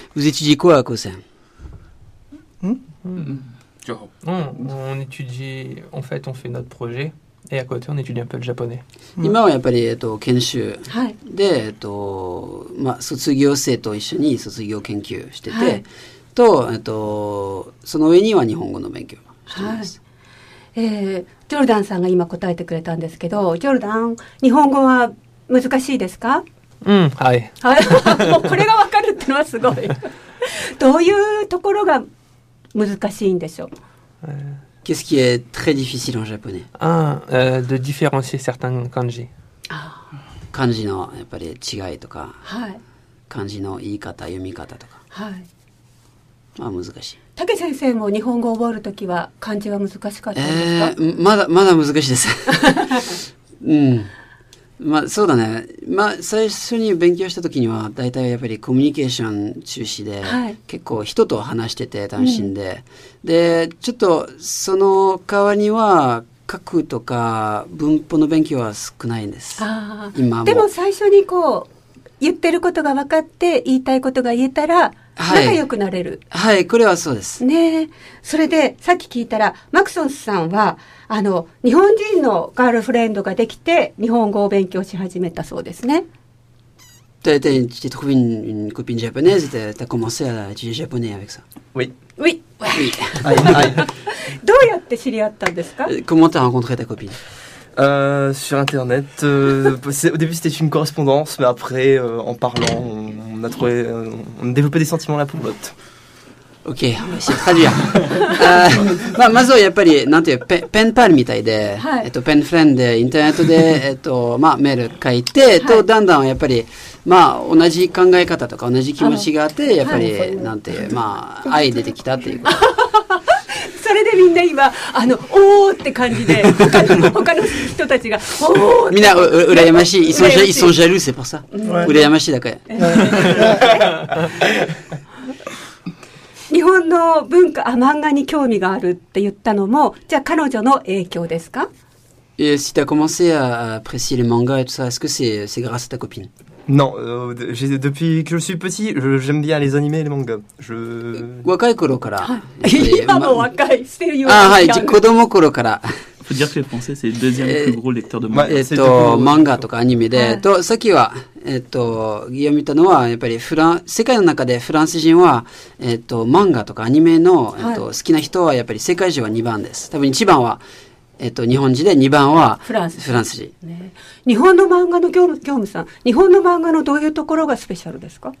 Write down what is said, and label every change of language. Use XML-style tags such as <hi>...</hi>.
<fr>Vous étudiez quoi à kōsen? On fait notre projet et à côté on étudie un peu le japonais.</fr> <ja>今はやっぱり研修で、はい、卒業生と一緒に卒業研究してて、はい、と、その上には日本語の勉強してます。はい、ジョルダンさんが今答えてくれたんですけど、ジョルダン、日本語は難しいですか？うん、はい。もうこれがわかるってのはすごい。どういうところが難しいんでしょう。</ja> <fr>Qu'est-ce qui est très difficile en japonais? De différencier certains kanji.</fr> <ja>Kanji のやっぱり違いとか、はい、漢字の言い方、読み方とか、はい、まあ難しい。竹先生も日本語を覚えるときは漢字は難しかったですか？まだ難しいです。うん。まあそうだね、まあ、最初に勉強した時には大体やっぱりコミュニケーション中止で、はい、結構人と話してて楽しんで、うん、でちょっとその代わりには書くとか文法の勉強は少ないんです。あ、今もでも最初にこう言ってることが分かって言いたいことが言えたら仲良くなれる、はい、はい、これはそうですね。それでさっき聞いたらマクソンスさんは日本人のガールフレンドができて日本語を勉強し始めたそうですね。</ja> <fr>Tu as trouvé une copine japonaise et tu as commencé à étudier japonais avec ça? Oui. Oui. Oui.</fr> <ja>どうやって知り合ったんですか？</ja> <fr>Comment t'as rencontré ta copine? Sur internet. Au début c'était une correspondance, mais après en parlant, on a développé des sentiments l'un pour l'autre. OK, on va essayer de traduire.</fr> <ja>まずはやっぱり、なんていう、ペンパルみたいで、はい、ペンフレンで、インターネットで、まあ、メール書いて、はい、と、だんだんやっぱり、まあ、同じ考え方とか、同じ気持ちがあって、やっぱり、はい、なんていう、まあ、愛出てきたっていうこと。それでみんな今、おーって感じで、他の人たちが、おーって。みんな、羨ましい。</ja> <fr>ils sont jaloux, c'est pour ça.</fr> <ja>羨ましいだから。日本の文化、漫画に興味があるって言ったのも、じゃあ彼女の影響ですか？</ja> <fr>Si t'as commencé à apprécier les mangas et tout ça, est-ce que c'est grâce à ta copine? Non, depuis que je suis petit, j'aime bien les animés et les mangas.</fr> <ja>Wakai koro kara.</ja> <fr>Faut dire que le français c'est le deuxième plus gros lecteur de manga.</fr> <ja>Manga とかアニメで、とさっきは読みたのはやっぱり世界の中でフランス人は漫画とかアニメの好きな人はやっぱり世界中は2番です。多分1番は日本人で2番はフランス人。日本の漫画の業務さん、日本の漫画のどういうところがスペシャルですか？</ja>